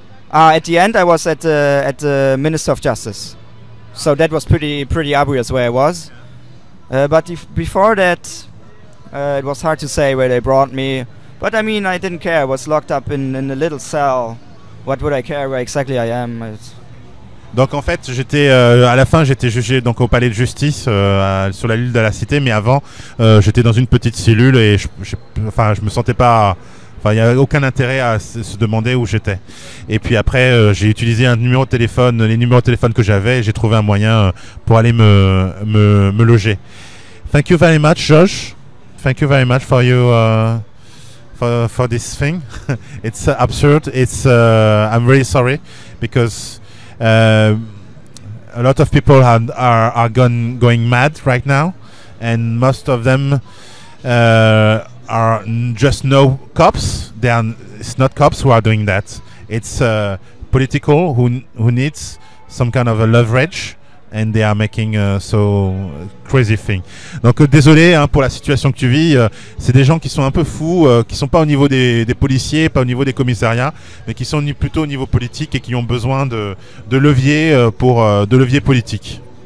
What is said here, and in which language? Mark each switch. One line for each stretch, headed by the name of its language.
English: At the end, I was at the Minister of Justice. So that was pretty obvious where I was. But before that, it was hard to say where they brought me. But I mean, I didn't care. I was locked up in a little cell. What would I care where exactly I am?
French: Donc en fait, j'étais à la fin, j'étais jugé donc au palais de justice sur la île de la Cité. Mais avant, j'étais dans une petite cellule et je me sentais pas. Enfin, il y avait aucun intérêt à se demander où j'étais. Et puis après, j'ai utilisé un numéro de téléphone, les numéros de téléphone que j'avais. Et j'ai trouvé un moyen pour aller me loger.
English: Thank you very much, Josh. Thank you very much for you. For this thing, it's absurd. It's I'm really sorry because a lot of people are going mad right now, and most of them are just no cops. It's not cops who are doing that. It's political who needs some kind of a leverage and they are making so crazy thing.
French: Donc désolé hein, pour la situation que tu vis, c'est des gens qui sont un peu fous, qui sont pas au niveau des policiers, pas au niveau des commissariats, mais qui sont plutôt au niveau politique et qui ont besoin de levier pour de levier politique.